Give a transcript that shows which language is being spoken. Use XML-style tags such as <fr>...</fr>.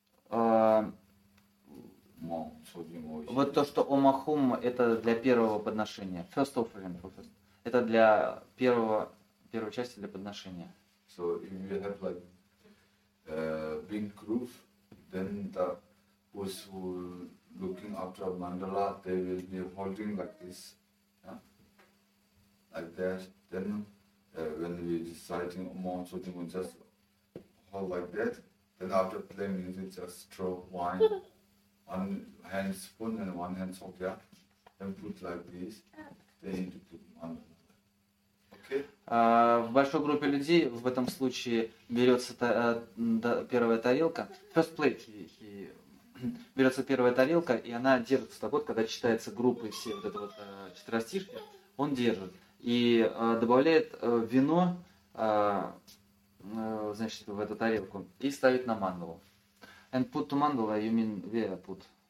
<ru>Вот то, что Омахум, это для первого подношения.</ru> <en>First offering.</en> <ru>Это для первой части для подношения.</ru> <en>So if you have like big group, then the who's looking after mandala, they will be holding like this. Yeah? at that, then when we deciding amount of demon, just hold like that. Then after playing music, just throw wine, one hand spoon and one hand soap, yeah? Then put like this, then into put one.</en> <ru>В большой группе людей в этом случае берется первая тарелка,</ru> <en>first plate,</en> <ru>и берется первая тарелка, и она держится так вот, когда читается группой все вот это вот четверостишки, он держит и добавляет вино, значит, в эту тарелку и ставит на мандалу.</ru> <en>And put to mandala, you mean where put?</en>